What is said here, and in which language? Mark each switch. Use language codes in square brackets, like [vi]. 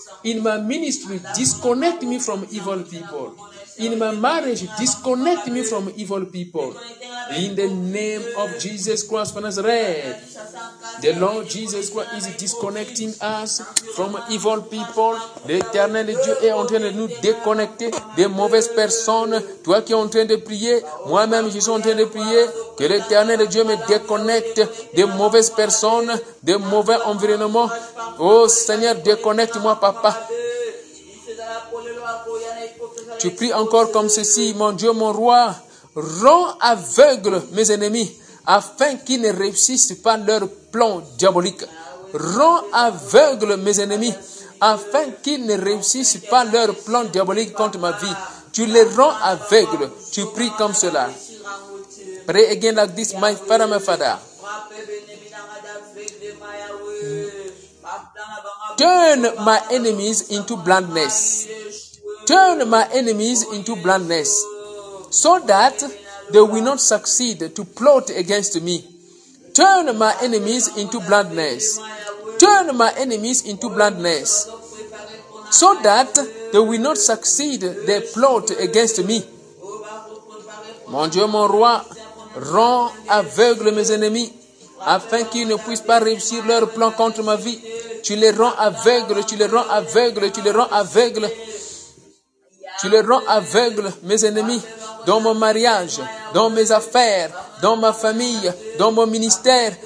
[en] In my ministry, disconnect me from evil people. In my marriage, disconnect me from evil people. In the name of Jesus Christ of Nazareth, the Lord Jesus Christ is disconnecting us from evil people. [fr] L'éternel Dieu est en train de nous déconnecter des mauvaises personnes. Toi qui es en train de prier, moi-même je suis en train de prier, que l'éternel Dieu me déconnecte des mauvaises personnes, des mauvais environnements. Oh Seigneur, déconnecte-moi, Papa. Tu pries encore comme ceci, mon Dieu, mon roi, rends aveugles mes ennemis afin qu'ils ne réussissent pas leur plan diabolique. Rends aveugles mes ennemis afin qu'ils ne réussissent pas leur plan diabolique contre ma vie. Tu les rends aveugles. Tu pries comme cela. [en] Pray again like this, my father, my father. Turn my enemies into blindness. Turn my enemies into blindness so that they will not succeed to plot against me. Turn my enemies into blindness. Turn my enemies into blindness so that they will not succeed their plot against me. [fr] Mon Dieu, mon roi, rends aveugles mes ennemis afin qu'ils ne puissent pas réussir leur plan contre ma vie. Tu les rends aveugles, tu les rends aveugles, tu les rends aveugles. Tu les rends aveugles, mes ennemis, dans mon mariage, dans mes affaires, dans ma famille, dans mon ministère.